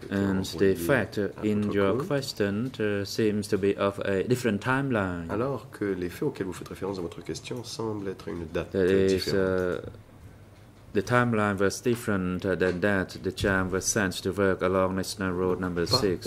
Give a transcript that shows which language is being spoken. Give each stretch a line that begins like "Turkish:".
English: And the fact in your question seems to be of a different timeline.
French: Alors que les faits auxquels vous faites référence dans votre question semblent être une date différente.
English: The timeline was different than that. The Cham was sent to work along National Road Number 6.